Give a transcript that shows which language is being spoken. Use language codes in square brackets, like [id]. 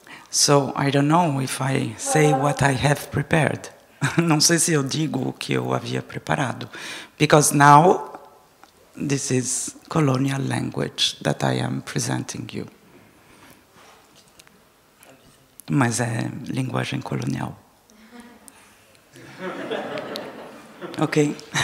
[en] So, I don't know if I say what I have prepared. [pt] Não sei se eu digo o que eu havia preparado. [en] Because now, this is colonial language that I am presenting you. [pt] Mas é linguagem colonial. [en] Okay.